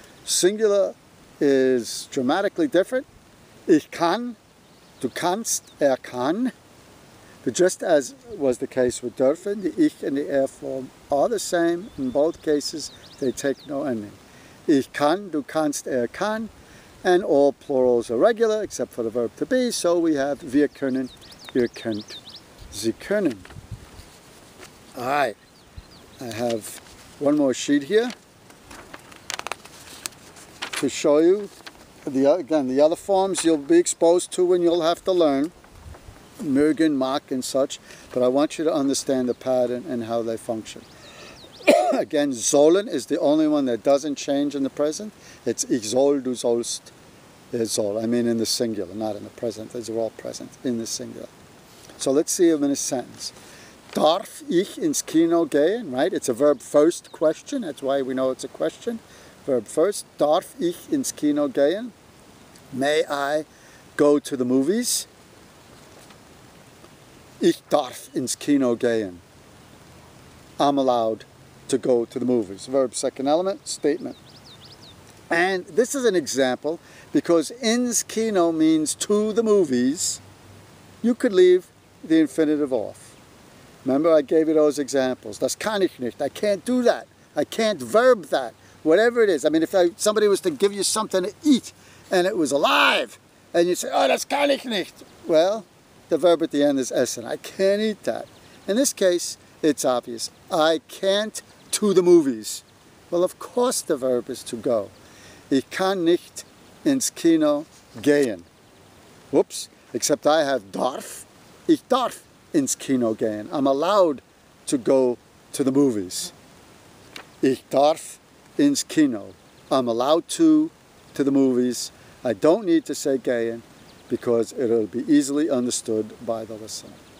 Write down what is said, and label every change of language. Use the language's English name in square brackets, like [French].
[English] Singular is dramatically different. [German] Ich kann, du kannst, kann. [English] But just as was the case with dürfen, the ich and the form are the same. In both cases, they take no ending. [German] Ich kann, du kannst, kann. [English] And all plurals are regular, except for the verb to be. So we have [German] wir können, ihr könnt, sie können. [English] All right. I have one more sheet here to show you, the other forms you'll be exposed to when you'll have to learn, mögen, mag, and such, but I want you to understand the pattern and how they function. Again, sollen is the only one that doesn't change in the present. It's [German] ich soll, du sollst, er soll. [English] I mean in the singular, not in the present. These are all present in the singular. So let's see them in a sentence. [German] Darf ich ins Kino gehen, [English] right? It's a verb first question. That's why we know it's a question. Verb first, [German] darf ich ins Kino gehen? [English] May I go to the movies? [German] Ich darf ins Kino gehen. [English] I'm allowed to go to the movies. Verb second element, statement. And this is an example because ins Kino means to the movies. You could leave the infinitive off. Remember I gave you those examples. [German] Das kann ich nicht. [English] I can't do that. I can't verb that. Whatever it is. I mean, if somebody was to give you something to eat and it was alive and you say, oh, [German] das kann ich nicht. [English] Well, the verb at the end is essen. I can't eat that. In this case, it's obvious. I can't to the movies. Well, of course the verb is to go. [German] Ich kann nicht ins Kino gehen. [English] Whoops. Except I have [German] darf. Ich darf ins Kino gehen. [English] I'm allowed to go to the movies. [German] Ich darf ins Kino. [English] I'm allowed to the movies. I don't need to say gehen because it'll be easily understood by the listener.